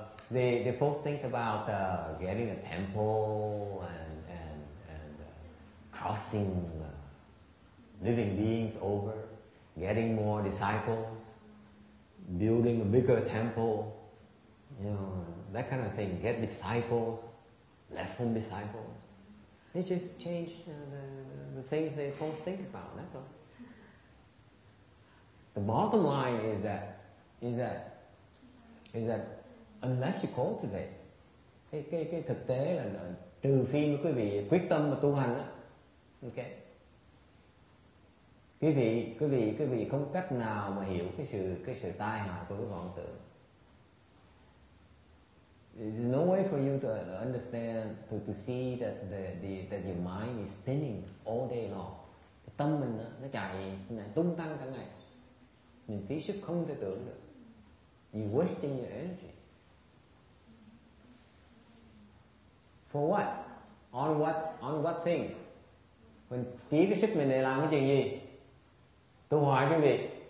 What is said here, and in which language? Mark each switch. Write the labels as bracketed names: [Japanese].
[English] They first think about getting a temple and crossing living beings over, getting more disciples, building a bigger temple, you know, that kind of thing. Get disciples, left-home disciples. They just change the things they first think about, that's all. The bottom line is that unless you cultivate, [Vietnamese] cái thực tế là trừ phi quý vị quyết tâm mà tu hành á, okay. Quý vị không cách nào mà hiểu cái sự tai hại của cái vọng tưởng. [English] There's no way for you to understand to see that that your mind is spinning all day long. [Vietnamese] Tâm mình nó chạy tung tăng cả ngày. Mình phí sức không thể tưởng được. [English] You're wasting your energy. For what? On what things? [Vietnamese] Mình phí cái sức mình để làm cái chuyện gì? Tôi hỏi quý vị.